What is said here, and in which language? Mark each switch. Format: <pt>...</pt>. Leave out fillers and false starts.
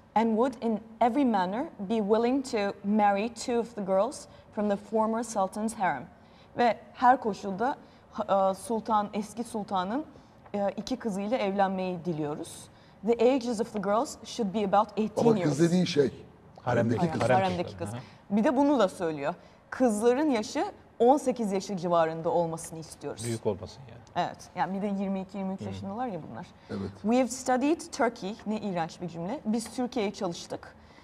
<en>And would in every manner be willing to marry two of the girls from the former Sultan's harem.</en> <tr>Ve her koşulda eski sultanın iki kızıyla evlenmeyi diliyoruz.</tr> <en>The ages of the girls should be about 18</en> <tr>ama</tr> <en>years.</en> <tr>Ama kız dediği şey, haremdeki kız. Haremdeki kız. Bir de bunu da söylüyor. Kızların yaşı 18 yaşı civarında olmasını istiyoruz. Büyük olmasın yani. Evet. Yani bir de 22-23 yaşındalar ya bunlar. Evet.</tr> <en>We have studied Turkey.</en> <tr>Ne iğrenç bir cümle. Biz Türkiye'ye çalıştık.</tr>